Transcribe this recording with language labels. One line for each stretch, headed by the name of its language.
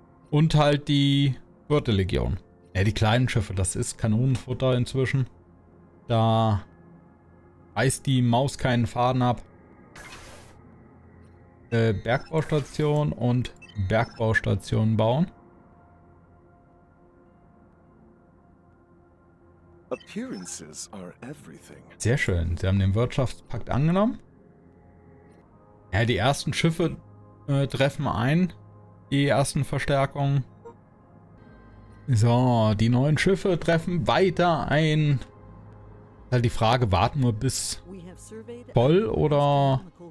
German: Und halt die vierte Legion. Ja, die kleinen Schiffe, das ist Kanonenfutter inzwischen. Da reißt die Maus keinen Faden ab. Bergbaustation und Bergbaustation bauen.
English: Appearances are everything.
German: Sehr schön. Sie haben den Wirtschaftspakt angenommen. Ja, die ersten Schiffe treffen ein. Die ersten Verstärkungen. So, die neuen Schiffe treffen weiter ein. Ist halt die Frage, warten wir bis voll oder.